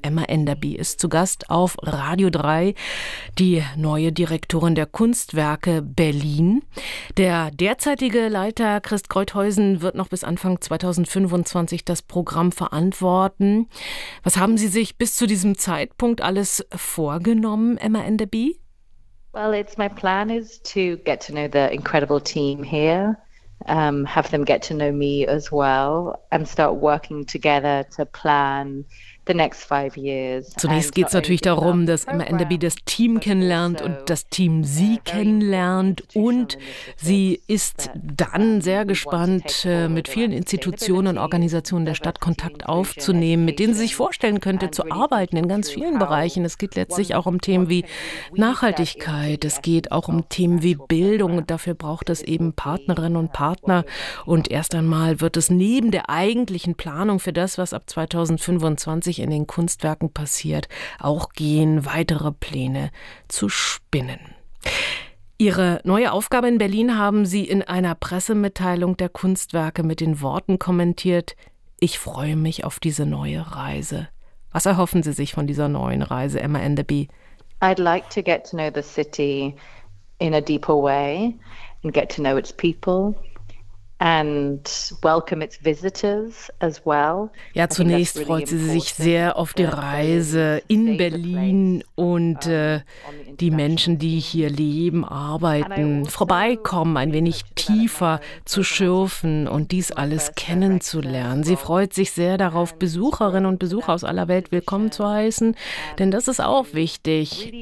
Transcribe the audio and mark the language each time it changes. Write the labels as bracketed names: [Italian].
[German] Emma Enderby ist zu Gast auf Radio 3, die neue Direktorin der Kunstwerke Berlin. Der derzeitige Leiter Christ Kreuthäusen wird noch bis Anfang 2025 das Programm verantworten. Was haben Sie sich bis zu diesem Zeitpunkt alles vorgenommen, Emma Enderby? [English] Well, it's my plan is to get to know the incredible team here. Have them get to know me as well and start working together to plan the next 5 years. [German] Zunächst geht es natürlich darum, dass Emma Enderby das Team kennenlernt und das Team sie kennenlernt. Und sie ist dann sehr gespannt, mit vielen Institutionen und Organisationen der Stadt Kontakt aufzunehmen, mit denen sie sich vorstellen könnte, zu arbeiten in ganz vielen Bereichen. Es geht letztlich auch um Themen wie Nachhaltigkeit. Es geht auch um Themen wie Bildung. Und dafür braucht es eben Partnerinnen und Partner. Und erst einmal wird es neben der eigentlichen Planung für das, was ab 2025 in den Kunstwerken passiert, auch gehen, weitere Pläne zu spinnen. Ihre neue Aufgabe in Berlin haben Sie in einer Pressemitteilung der Kunstwerke mit den Worten kommentiert: Ich freue mich auf diese neue Reise. Was erhoffen Sie sich von dieser neuen Reise, Emma Enderby? [English] I'd like to get to know the city in a deeper way and get to know its people. And welcome its visitors as well. [German] Ja, zunächst freut sie sich sehr auf die Reise in Berlin und die Menschen, die hier leben, arbeiten, vorbeikommen, ein wenig tiefer zu schürfen und dies alles kennenzulernen. Sie freut sich sehr darauf, Besucherinnen und Besucher aus aller Welt willkommen zu heißen, denn das ist auch wichtig.